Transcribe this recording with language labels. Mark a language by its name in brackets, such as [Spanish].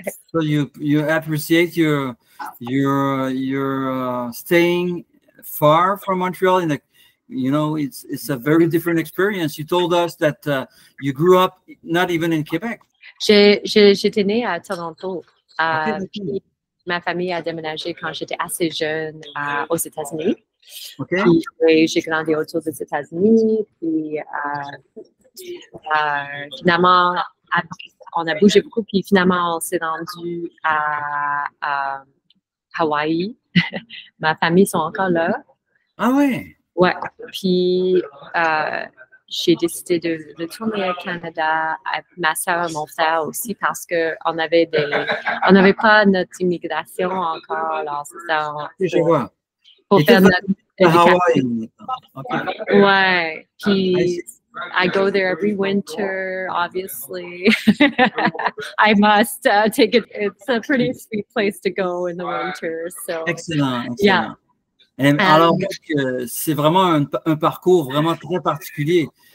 [English] So you appreciate your staying far from Montreal in the. You know, it's a very different experience. You told us that you grew up not even in Quebec. [French] J'étais née à Toronto, Ma famille a déménagé quand j'étais assez jeune aux États-Unis. Okay. Puis, j'ai grandi autour des États-Unis. Finalement, on a bougé beaucoup. Puis finalement, on s'est rendu à Hawaï. Ma famille sont encore là. Ah oui? Ouais. Puis j'ai décidé de retourner au Canada avec ma soeur et mon frère aussi parce qu'on avait on n'avait pas notre immigration encore. Alors, c'est ça. Je vois. Pour faire notre éducation. À Hawaï. [English] Okay. [French] Ouais. Puis, [English] I go there every winter, obviously. I must take it. It's a pretty sweet place to go in the winter. So. Excellent. Yeah. [French] Alors, c'est vraiment un parcours vraiment très particulier.